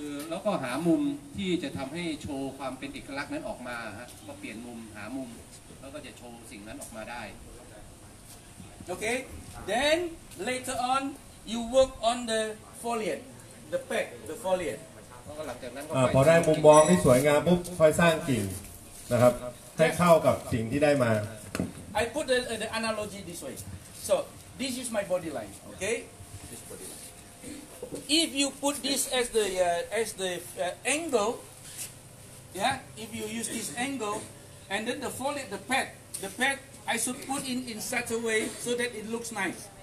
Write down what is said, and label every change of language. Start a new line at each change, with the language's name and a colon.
Thai: แล้วก็หามุมที่จะทำให้โชว์ความเป็นเอกลักษณ์นั้นออกมาฮะก็เปลี่ยนมุมหามุมแล้วก็จะโชว์สิ่งนั้นออกมาได้โอเค
English: then later on you work on the foliage the back the foliage
Thai: พอได้มุมมองที่สวยงามปุ๊บค่อยสร้างกิ่งนะครับให้เข้ากับสิ่งที่ได้มา
English: I put the analogy this way so this is my body line okay this body lineIf you put this as the angle, yeah. If you use this angle, and then the foliage, the pad, I should put in such a way so that it looks nice.